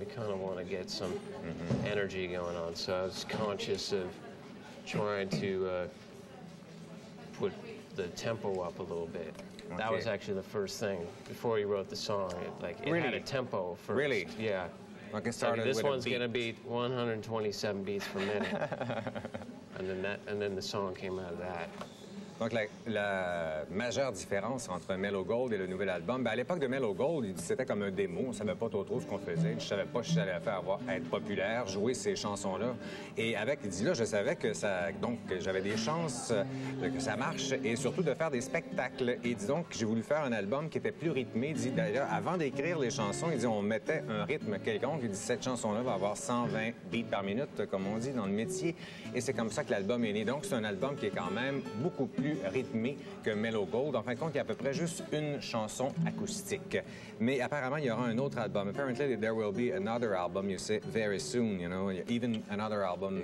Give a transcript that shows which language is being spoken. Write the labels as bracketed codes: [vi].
[en] You kind of want to get some energy going on. So I was conscious of trying to put the tempo up a little bit. Okay. That was actually the first thing before you wrote the song. It had a tempo first. Really? Yeah. Like it started this one's going to be 127 beats per minute. and then the song came out of that. [fr] Donc, la majeure différence entre Mellow Gold et le nouvel album, bien, à l'époque de Mellow Gold, c'était comme un démo. On ne savait pas trop ce qu'on faisait. Je ne savais pas si j'allais être populaire, jouer ces chansons-là. Et avec Dis-là, je savais que ça, donc, j'avais des chances que ça marche et surtout de faire des spectacles. Et dis donc, j'ai voulu faire un album qui était plus rythmé. D'ailleurs, avant d'écrire les chansons, il dit on mettait un rythme quelconque. Il dit cette chanson-là va avoir 120 beats par minute, comme on dit dans le métier. Et c'est comme ça que l'album est né. Donc, c'est un album qui est quand même beaucoup plus rythmé que Mellow Gold. En fin de compte, il y a à peu près juste une chanson acoustique. Mais apparemment, il y aura un autre album. [en] Apparently, there will be another album, you say, very soon, you know, even another album.